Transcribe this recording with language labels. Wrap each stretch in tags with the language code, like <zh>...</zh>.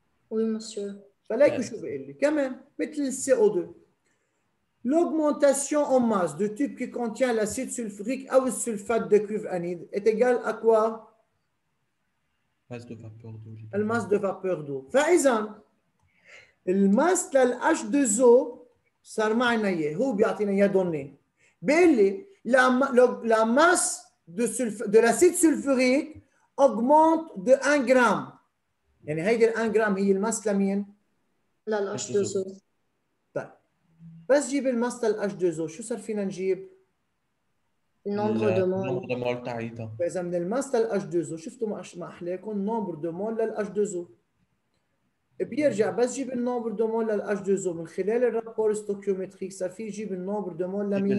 <fr>وي مسيو.</fr> <ar>فلك شو بيقول لي كمان مثل السي او 2</ar> <fr>l'augmentation en masse du tube qui contient l'acide sulfurique ou le sulfate de cuivre anhydre est égal à quoi؟ masse de vapeur d'eau. الماس de vapeur d'eau.</fr> <ar>فاذا الماس لل H2O صار معنا اياه، هو بيعطينا اياه دوني. بيقول لي</ar> <fr>la masse de l'acide sulfurique augmente de 1 gramme.</fr> <ar>يعني هيدي الان جرام هي الماس لمين؟ لل H2O. طيب بس جيب الماس لل H2O شو صار فينا نجيب؟</ar> <fr>النمبر دو مول تاعيتها.</fr> <ar>فاذا من الماس لل H2O شفتوا ما احلاكم نمبر دو مول لل H2O بيرجع بس جيب النمبر دو مول لل H2O من خلال الرابور ستوكيومتريك صار في جيب النمبر دو مول لمين؟</ar>